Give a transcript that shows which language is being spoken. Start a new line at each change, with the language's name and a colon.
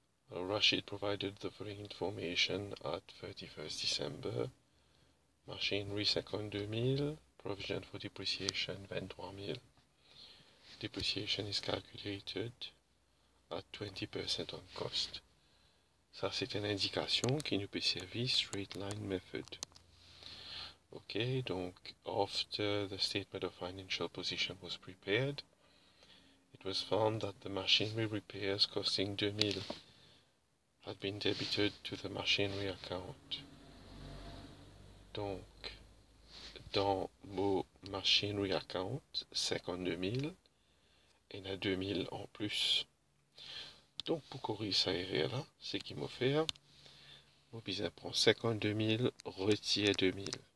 English: Rashid provided the following information at 31st December. Machinery 52 000, provision for depreciation 23 000. Depreciation is calculated at 20% on cost.
French: Ça, c'est une indication qui nous peut servir
English: straight line method. Ok, donc after the statement of financial position was prepared, it was found that the machinery repairs costing 2 000 had been debited to the machinery account.
French: Donc, dans mon machinery account, 52 000, il y en a 2 000 en plus. Donc, pour corriger ça, erreur là, c'est qu'il m'a fait. Mon business prend 52 000, retire 2 000.